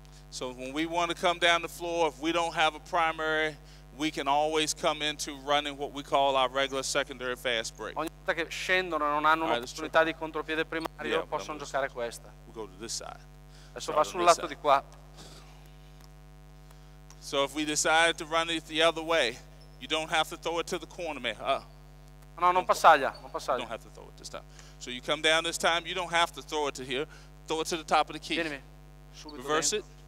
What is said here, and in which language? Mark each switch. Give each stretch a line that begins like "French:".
English: So when we want to come down the floor, if we don't have a primary, we can always come into running what we call our regular secondary fast break.
Italian: Ogni volta che scendono e non hanno un'opportunità di contropiede primario, possono giocare questa.
English: We'll go to this side.
Italian: Adesso va sul lato di qua.
English: So if we decide to run it the other way, you don't have to throw it to the corner, man.
Italian: No, non passaglia, non passaglia.
English: You don't have to throw it this time. So you come down this time, you don't have to throw it to here. Throw it to the top of the key.
Italian: Vieni,
English: reverse it.